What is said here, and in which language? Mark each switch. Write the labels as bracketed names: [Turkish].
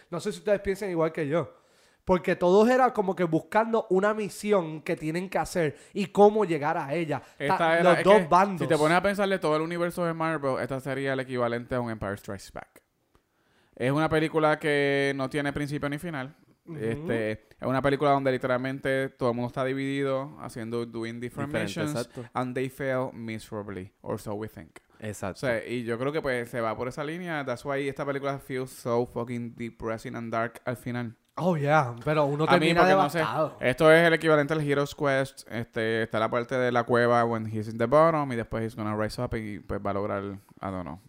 [Spanish] No sé si ustedes piensan igual que yo. Porque todos eran como que buscando una misión que tienen que hacer y cómo llegar a ella. Los dos bandos. Si te pones a pensarle todo el universo de Marvel, esta sería el equivalente a un Empire Strikes Back. Es una película que no tiene principio ni final. Uh-huh. Es una película donde literalmente todo el mundo está dividido haciendo [English] doing different missions. And they fail miserably, or so we think. [Spanish] Exacto. O sea, y yo creo que pues se va por esa línea. [English] That's why [Spanish] esta película [English] feels so fucking depressing and dark [Spanish] al final. Oh, yeah. Pero uno termina devastado. A mí, porque no sé, esto es el equivalente al Hero's Quest. Está la parte de la cueva [English] when he's in the bottom [Spanish] y después [English] he's gonna rise up [Spanish] y pues va a lograr, [English] I don't know.